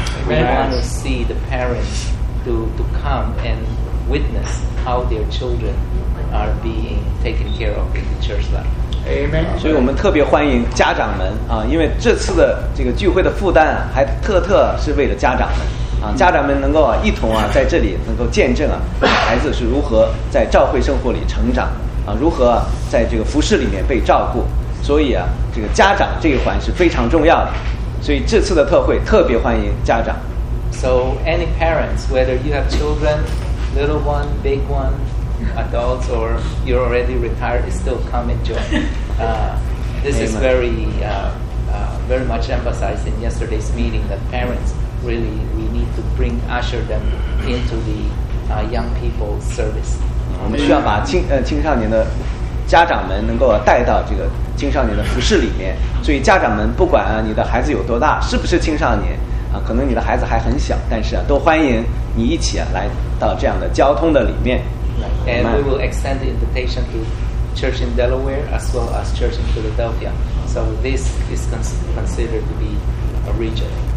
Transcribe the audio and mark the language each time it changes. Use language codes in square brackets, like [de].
[en] We want to see the parents to come and witness how their children are being taken care of in the church life. Amen. [zh] 所以我们特别欢迎家长们因为这次的这个聚会的负担还特是为了家长们家长们能够一同在这里能够见证孩子是如何在召会生活里成长如何在这个服侍里面被照顾所以这个家长这一环是非常重要的所以这次的特会特别欢迎家长 [en] So any parents whether you have children little one, big oneadults or you're already retired still come and join this Amen. Is very very much emphasized in yesterday's meeting that parents really we need to bring usher them into the young people's service [zh] 我们需要把青少年的家长们能够带到这个青少年的服侍里面所以家长们不管你的孩子有多大是不是青少年可能你的孩子还很小但是都欢迎你一起来到这样的交通的里面 [en] And we will extend the invitation to church in Delaware as well as church in Philadelphia. So this is considered to be a region.